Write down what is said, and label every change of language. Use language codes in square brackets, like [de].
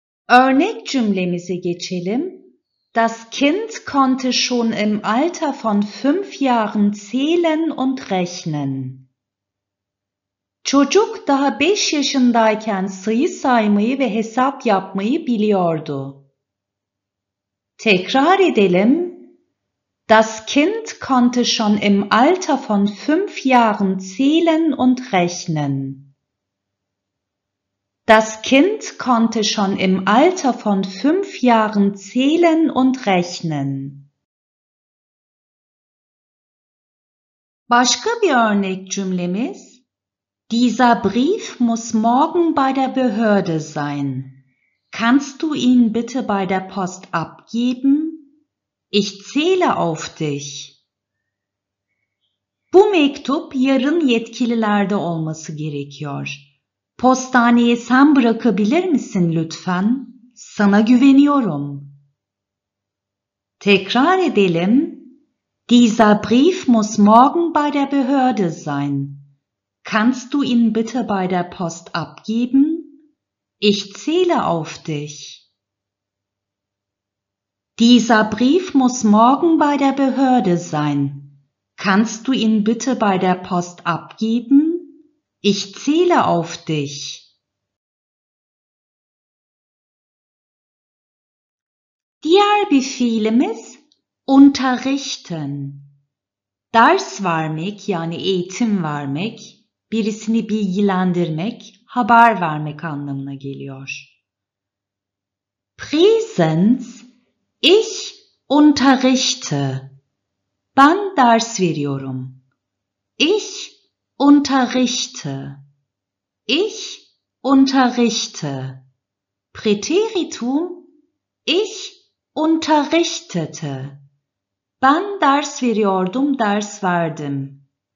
[tr] Örnek cümlemize geçelim. [de] Das Kind konnte schon im Alter von 5 Jahren zählen und rechnen. [tr] Çocuk daha 5 yaşındayken sayı saymayı ve hesap yapmayı biliyordu. Tekrar edelim. [de] Das Kind konnte schon im Alter von 5 Jahren zählen und rechnen. Das Kind konnte schon im Alter von 5 Jahren zählen und rechnen. [tr] Başka bir örnek cümlemiz. [de] Dieser Brief muss morgen bei der Behörde sein. Kannst du ihn bitte bei der Post abgeben? Ich zähle auf dich. [tr] Bu mektup yarın yetkililerde olması gerekiyor. Postaneye sen bırakabilir misin lütfen? Sana güveniyorum. Tekrar edelim. [de] Dieser Brief muss morgen bei der Behörde sein. Kannst du ihn bitte bei der Post abgeben? Ich zähle auf dich. Dieser Brief muss morgen bei der Behörde sein. Kannst du ihn bitte bei der Post abgeben? Ich zähle auf dich. [tr] Diğer bir fiilimiz unterrichten. Ders vermek yani eğitim vermek, birisini bilgilendirmek, haber vermek anlamına geliyor. [de] Präsenz, ich unterrichte. [tr] Ben ders veriyorum. [de] Ich unterrichte. Ich unterrichte. Präteritum, ich unterrichtete. [tr] Ben ders veriyordum, ders verdim.